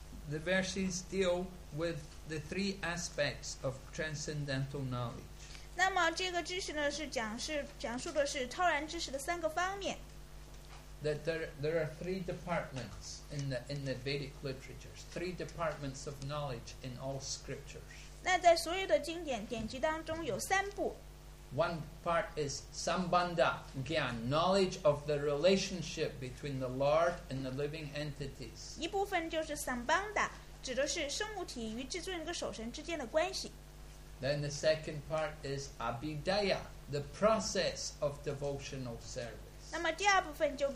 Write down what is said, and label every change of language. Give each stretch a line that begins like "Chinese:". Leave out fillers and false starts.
English: The verses deal with the three aspects of transcendental knowledge.
Chinese: 那么这个知识呢，是讲述的是超然知识的三个方面。
English: That there are three departments in the Vedic literatures, three departments of knowledge in all scriptures.
Chinese: 那在所有的经典典籍当中有三部.
English: One part is sambandha gyan, knowledge of the relationship between the Lord and the living entities.
Chinese: 一部分就是 sambandha, 指的是生物体与至尊跟守神之间的关系.
English: Then the second part is abhidaya, the process of devotional service.